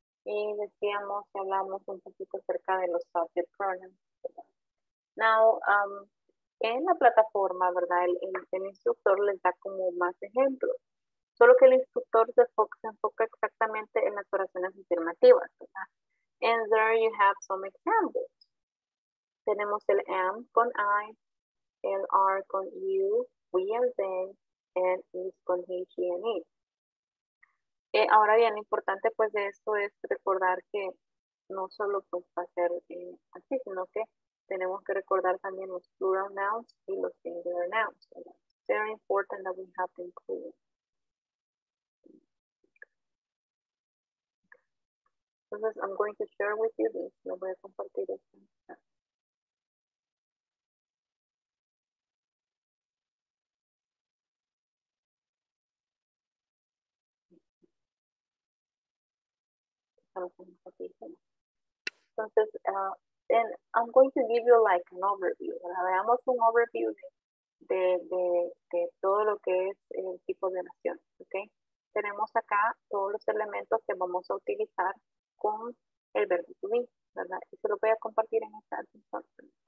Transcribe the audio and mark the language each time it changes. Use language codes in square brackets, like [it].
[es] Y decíamos y hablamos un poquito acerca de los subject pronouns. [en] Now, [es] en la plataforma, ¿verdad? El instructor les da como más ejemplos. Solo que el instructor se enfoca exactamente en las oraciones afirmativas, ¿verdad? [en] And there you have some examples. [es] Tenemos el am con I, el are con you, we and they, and is con he, she and it. Ahora bien, lo importante pues de esto es recordar que no solo pues va a ser así, sino que tenemos que recordar también los plural nouns y los singular nouns. [en] It's very important that we have to include. [es] Entonces, [en] I'm going to share with you this. [es] Lo voy a compartir esto. Entonces, [en] I'm going to give you like an overview. [es] Veamos un overview de todo lo que es el tipo de oración, ¿okay? Tenemos acá todos los elementos que vamos a utilizar con el verbo to be, ¿verdad? Y se lo voy a compartir en esta instancia.